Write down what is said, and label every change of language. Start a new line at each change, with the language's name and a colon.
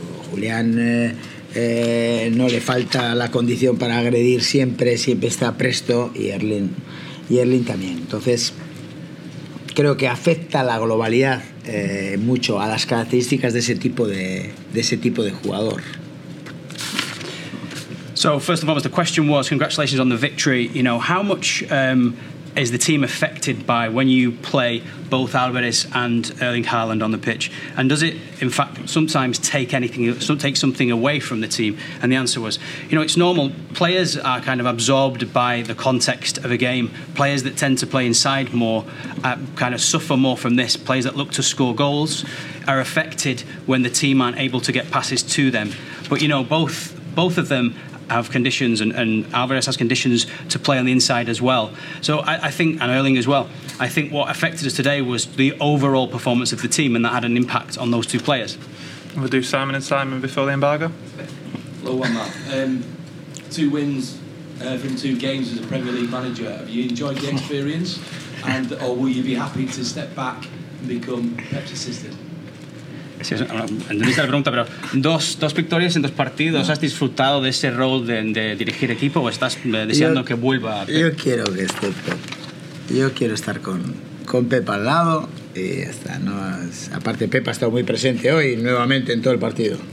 Spanish: Julián no le falta la condición para agredir siempre está presto, y Erling. Y Erling también. Entonces, creo que afecta la globalidad mucho a las características de ese tipo de jugador.
English: So, first of all, the question was, congratulations on the victory. You know, how much is the team affected by when you play both Alvarez and Erling Haaland on the pitch? And does it, in fact, sometimes take something away from the team? And the answer was, you know, it's normal. Players are kind of absorbed by the context of a game. Players that tend to play inside more kind of suffer more from this. Players that look to score goals are affected when the team aren't able to get passes to them. But, you know, both of them have conditions, and Alvarez has conditions to play on the inside as well. So I think, and Erling as well, I think what affected us today was the overall performance of the team, and that had an impact on those two players. We'll do Simon and Simon before the embargo. Hello, one, Matt. Two wins from two games as a Premier League manager. Have you enjoyed the experience? And or will you be happy to step back and become Pep's assistant?
Spanish: Entendí la pregunta, pero dos victorias en dos partidos. ¿Has disfrutado de ese rol de dirigir equipo o estás deseando que vuelva a Pep? Yo quiero que esté Pep. Yo quiero estar con Pep al lado y ya está. No, aparte, Pep ha estado muy presente hoy nuevamente en todo el partido.